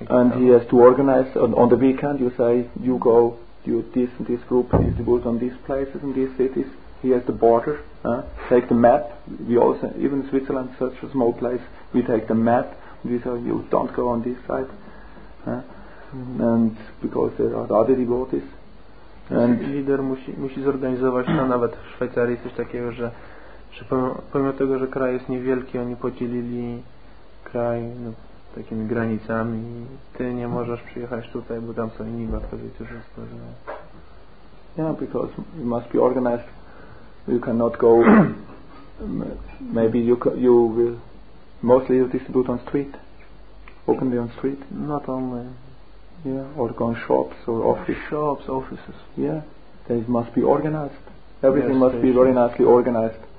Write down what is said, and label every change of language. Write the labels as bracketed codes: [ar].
[en] And he has to organize on the weekend. You say you go, you this group is to go on these places in these cities. He has the border. Take the map. We also, even Switzerland, such a small place. We take the map. We say you don't go on this side. And because there are other devotees. [pl] And lider musi zorganizować to. Nawet w Szwajcarii coś takiego, że pomimo tego, że kraj jest niewielki, oni podzielili kraj. No, takimi granicami, ty nie możesz przyjechać tutaj, bo tam są inni baktowie, którzy stworzyli. [en] Yeah, because it must be organized. You cannot go. Maybe you will mostly distribute on street, openly on street. Not only. Yeah, or go on shops or office. Shops, offices. Yeah, they must be organized. Everything must be very nicely organized.